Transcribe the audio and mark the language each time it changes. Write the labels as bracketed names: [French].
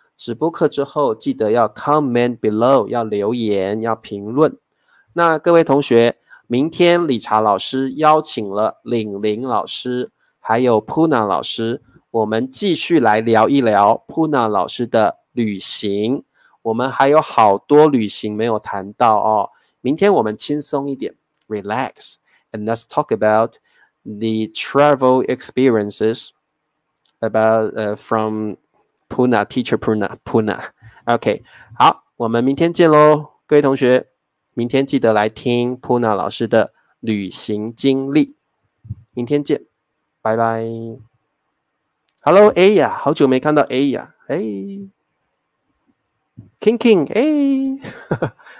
[Chinese] 直播课之后记得要 [English] comment below, [Chinese] 要留言，要评论。那各位同学，明天理查老师邀请了领领老师还有 Puna 老师，我们继续来聊一聊 Puna 老师的旅行。我们还有好多旅行没有谈到哦。明天我们轻松一点， [English] relax, and let's talk about the travel experiences about from Puna, teacher Puna, Puna. [Chinese] OK, 好，我们明天见咯，各位同学，明天记得来听 Puna 老师的旅行经历。明天见，拜拜。Hello, Aya, 好久没看到 Aya, 哎 ,King King, 哎。